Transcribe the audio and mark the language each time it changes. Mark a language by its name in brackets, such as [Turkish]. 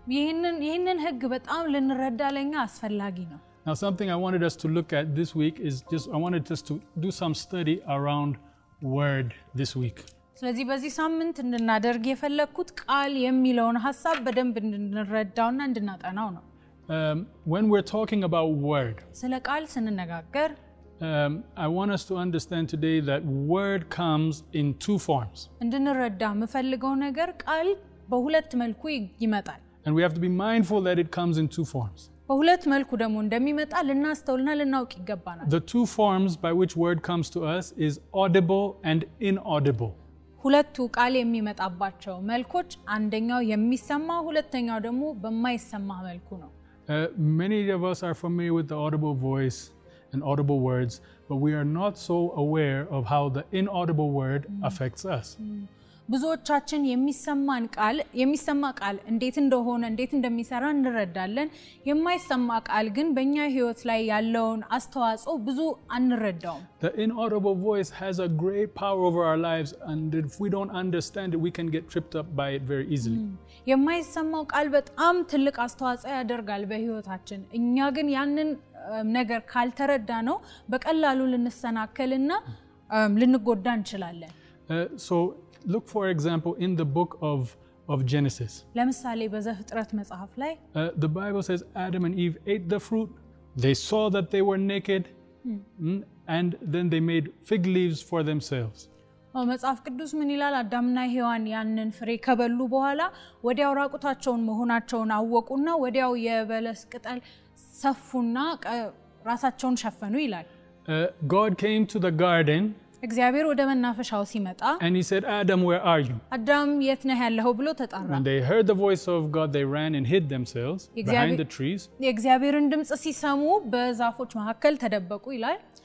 [Amharic] ይሄንን ህግ በጣም ልንረዳለኛ አስፈልጊ ነው [English] Now something I wanted us to look at this week is just I wanted us to do some study around word this week. [Amharic] ስለዚህ በዚህ ሳምንት እንድናደርግ የፈለኩት ቃል የሚለውን ሐሳብ በደንብ እንድንረዳውና እንድናጠናው ነው. [English] When we're talking about word. [Amharic] ስለ ቃል ስንነጋገር [English] I want us to understand today that word comes in two forms. [Amharic] እንድንረዳ መፈልገው ነገር ቃል በሁለት መልኩ ይመጣል. [English] And we have to be mindful that it comes in two forms. [Amharic] በሁለት መልኩ ደግሞ እንደሚመጣ ልናስተውልና ልናውቅ ይገባናል. [English] The two forms by which word comes to us is audible and inaudible. [Amharic] ሁለቱ ቃል የሚመጣባቸው መልኮች አንደኛው የሚሰማ ሁለተኛው ደግሞ በማይሰማ መልኩ ነው. [English] Many of us are familiar with the audible voice and audible words, but we are not so aware of how the inaudible word affects us. [Amharic] ብዙዎቻችን የሚሰማ ቃል እንዴት እንደሆነ እንዴት እንደሚሰራ እንረዳለን የማይሰማ ቃል ግን በእኛ ህይወት ላይ ያለውን አስተዋጽኦ ብዙ አንረዳውም [English] The inaudible voice has a great power over our lives and if we don't understand it we can get tripped up by it very easily [Amharic] የማይሰማው ቃል በጣም ትልቅ አስተዋጽኦ ያደርጋል በህይወታችን እኛ ግን ያንን ነገር ካልተረዳነው በቀላሉ ልንሰናከልና ልንጎዳ እንችላለን [English] So look for example in the book of Genesis. [Amharic] ለምሳሌ በዘፍጥረት መጽሐፍ ላይ [English] the Bible says Adam and Eve ate the fruit. They saw that they were naked and then they made fig leaves for themselves. [Amharic] መጽሐፍ ቅዱስ ምን ይላል? አዳምና ሔዋን ያንን ፍሬ ከበሉ በኋላ ወዲያው ራቁታቸውን መሆናቸውን አወቁና ወዲያው የበለስ ቅጠል ሰፉና ራሳቸውን ሸፈኑ ይላል. [English] God came to the garden [Amharic] እግዚአብሔር ወደ መናፈሻው ሲመጣ [English] And he said Adam where are you? [Amharic] አዳም የት ነህ ያለው ብሎ ተጣራ. [English] And they heard the voice of God they ran and hid themselves behind the trees. [Amharic] የእግዚአብሔርን ድምጽ ሲሰሙ በዛፎች መካከል ተደበቁ ይላል.